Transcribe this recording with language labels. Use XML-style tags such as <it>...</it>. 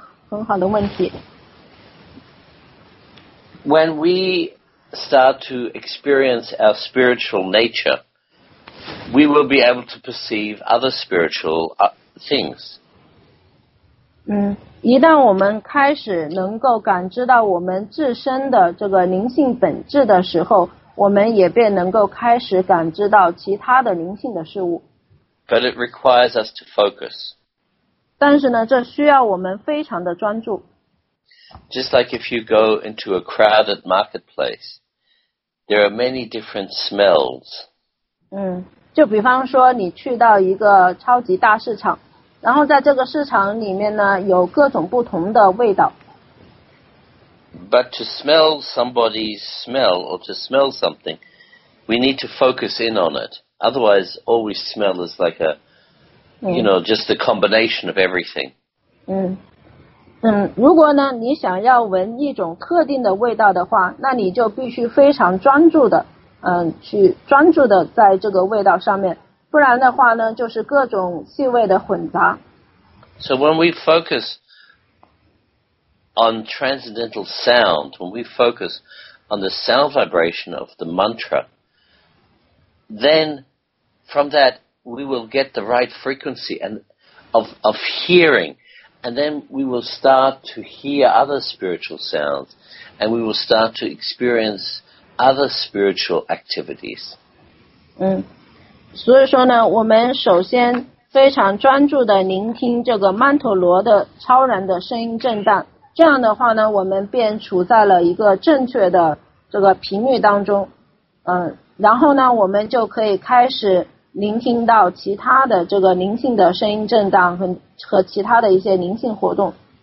<zh>很好的问题。</zh> <en>When we start to experience our spiritual nature, we will be able to perceive other spiritual things.</en> <zh>一旦我们开始能够感知到我们自身的这个灵性本质的时候，我们也便能够开始感知到其他的灵性的事物。</zh> <en>But it requires us to focus.</en> <zh>但是呢，这需要我们非常的专注。</zh> <en>Just like if you go into a crowded marketplace, there are many different smells.</en> <zh>就比方说你去到一个超级大市场，然后在这个市场里面呢，有各种不同的味道。</zh> <en>But to smell somebody's smell or to smell something, we need to focus in on it. Otherwise, all we smell is like a, you know, just the combination of everything.</en> <zh>如果呢你想要闻一种特定的味道的话，那你就必须非常专注的去专注的在这个味道上面，不然的话呢就是各种气味的混杂。</zh> <en>So when we focus on transcendental sound, when we focus on the sound vibration of the mantra, then from that we will get the right frequency and of hearingAnd then we will start to hear other spiritual sounds, and we will start to experience other spiritual activities.</en> <zh>所以说呢，我们首先非常专注地聆听这个曼陀罗的超然的声音震荡，这样的话呢，我们便处在了一个正确的这个频率当中，然后呢，我们就可以开始聆听到其他的这个灵性的声音震荡和其他的一些灵性活动。</zh>